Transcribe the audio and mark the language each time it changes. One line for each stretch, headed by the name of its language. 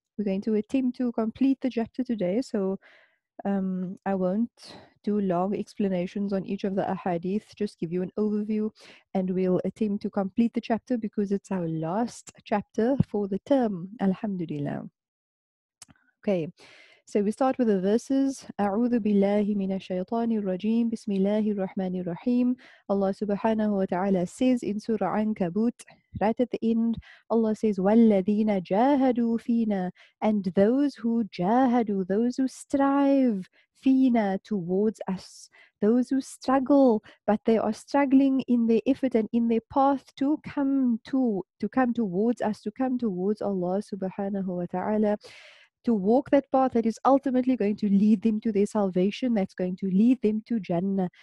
English: We're going to attempt to complete the chapter today. So I won't do long explanations on each of the ahadith, just give you an overview, and we'll attempt to complete the chapter because it's our last chapter for the term. Alhamdulillah. Okay. So we start with the verses.
Arabic: أعوذ بالله من الشيطان الرجيم بسم الله الرحمن الرحيم.
English: Allah subhanahu wa ta'ala says in Surah Ankabut, right at the end, Allah says,
Arabic: وَالَّذِينَ جَاهَدُوا فِينَا,
English: and those who
Arabic: جَاهَدُوا,
English: those who strive,
Arabic: فِينَا,
English: towards us, those who struggle, but they are struggling in their effort and in their path to come towards Allah subhanahu wa ta'ala, to walk that path that is ultimately going to lead them to their salvation, that's going to lead them to Jannah.